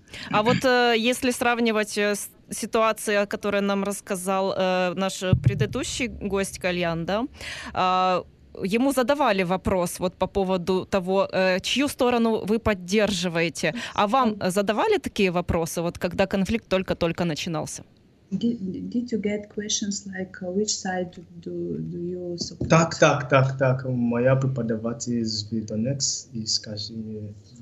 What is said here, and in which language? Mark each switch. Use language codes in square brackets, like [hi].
[ru] А вот если сравнивать с ситуацией, о которой нам рассказал наш предыдущий гость Кальян, да, ему задавали вопрос вот по поводу того, чью сторону вы поддерживаете. А вам задавали такие вопросы, вот когда конфликт только-только начинался? [en] Did you get questions like which side do you support? [ru] Так. Моя преподаватель из Донецк и скажи мне...